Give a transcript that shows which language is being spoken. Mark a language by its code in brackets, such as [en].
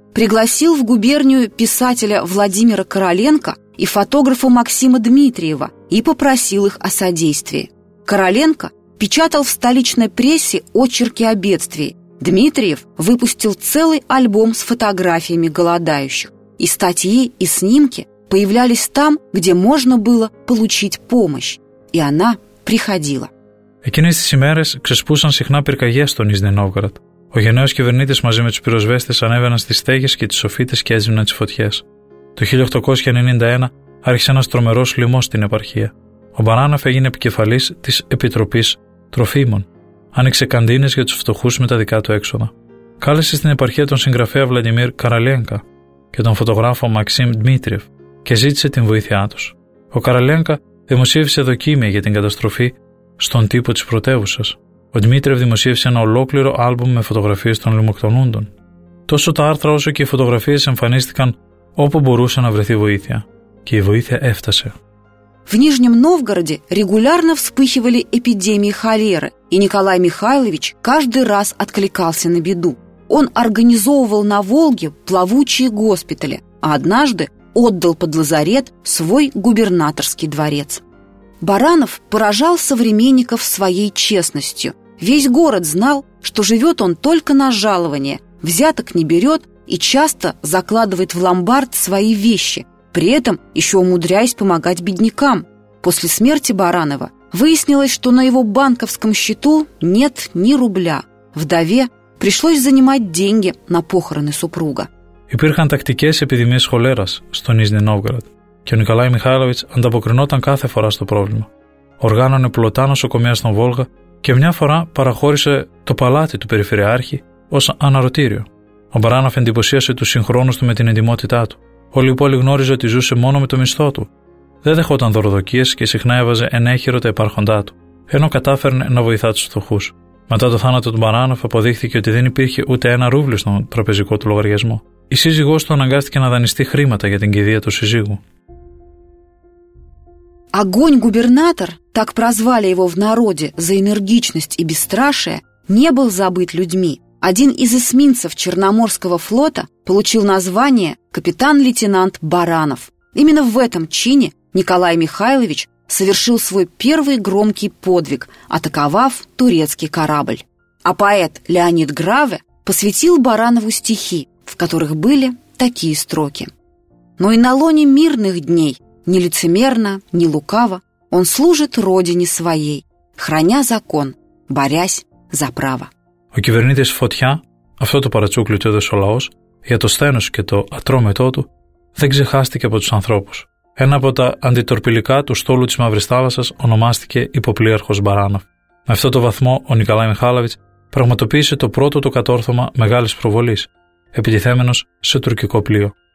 [ru] Пригласил в губернию писателя Владимира Короленко и фотографа Максима Дмитриева и попросил их о содействии. Короленко печатал в столичной прессе очерки о бедствии. Дмитриев выпустил целый альбом с фотографиями голодающих. И статьи, и снимки появлялись там, где можно было получить помощь. И она приходила. [el] Εκείνες τις ημέρες ξεσπούσαν συχνά πυρκαγιές στο Νίζνη Νόβγορο. Ο γενναίος κυβερνήτης μαζί με τους πυροσβέστες ανέβαιναν στις στέγες και τις σοφίτες και έσβηναν τις φωτιές. Το 1891 άρχισε ένας τρομερός λοιμός στην επαρχία. Ο Μπαράνοφ έγινε επικεφαλής της Επιτροπής Τροφίμων. Άνοιξε καντίνες για τους φτωχούς με τα δικά του έξοδα. Κάλεσε στην επαρχία τον συγγραφέα Βλαντιμίρ Καραλένκα και τον φωτογράφο Μαξίμ Δημήτριεφ και ζήτησε την βοήθειά τους. Ο Καραλένκα δημοσίευσε δοκίμια για την καταστροφή στον τύπο της πρωτεύουσας. Ο Δημήτριεφ δημοσίευσε ένα ολόκληρο άλμπουμ με φωτογραφίες των λιμοκτονούντων. Τόσο τα άρθρα όσο και οι φωτογραφίες εμφανίστηκαν όπου μπορούσε να βρεθεί βοήθεια. Και η βοήθεια έφτασε. [ru] В Нижнем Новгороде регулярно вспыхивали эпидемии холеры, и Николай Михайлович каждый раз откликался на беду. Он организовывал на Волге плавучие госпитали, а однажды отдал под лазарет свой губернаторский дворец. Баранов поражал современников своей честностью. Весь город знал, что живет он только на жалование, взяток не берет и часто закладывает в ломбард свои вещи – при этом еще умудряясь помогать беднякам. После смерти Баранова выяснилось, что на его банковском счету нет ни рубля. Вдове пришлось занимать деньги на похороны супруга. [el] Υπήρχαν тактикές эпидемίες холерας στο Нижний Новгород, και ο Николай Михайлович ανταποκρινόταν κάθε φορά στο πρόβλημα. Οργάνωνε πλωτά νοσοκομεία στον Βόλγα και μια φορά παραχώρησε το παλάτι του Περιφερειάρχη ως αναρωτήριο. Ο Μπαράνοφ εντυπωσίασε τους συγχρόνους του με την εντιμότητά του. Όλοι οι πόλοι γνώριζε ότι ζούσε μόνο με το μισθό του. Δεν δεχόταν δωροδοκίες και συχνά έβαζε ενέχειρο τα υπάρχοντά του, ενώ κατάφερνε να βοηθά τους φτωχούς. Μετά το θάνατο του Μπαράνοφ αποδείχθηκε ότι δεν υπήρχε ούτε ένα ρούβλιο στον τραπεζικό του λογαριασμό. Η σύζυγός του αναγκάστηκε να δανειστεί χρήματα για την κηδεία του σύζυγου. [ru] Огонь губернатор, так прозвали его в народе за энергичность и бесстрашие, не был забыт людьми. Один из эсминцев Черноморского флота получил название капитан-лейтенант Баранов. Именно в этом чине Николай Михайлович совершил свой первый громкий подвиг, атаковав турецкий корабль. А поэт Леонид Граве посвятил Баранову стихи, в которых были такие строки. «Но и на лоне мирных дней, ни лицемерно, ни лукаво, он служит родине своей, храня закон, борясь за право». [el] Ο κυβερνήτης Φωτιά, αυτό το παρατσούκλι του έδωσε ο λαός, για το σθένος και το ατρόμετό του, δεν ξεχάστηκε από τους ανθρώπους. Ένα από τα αντιτορπιλικά του στόλου της Μαύρης Θάλασσας ονομάστηκε υποπλοίαρχος Μπαράνοφ. Με αυτό το βαθμό, ο Νικολάη Μιχάλοβιτς πραγματοποίησε το πρώτο του κατόρθωμα μεγάλης προβολής, επιτιθέμενος σε τουρκικό πλοίο.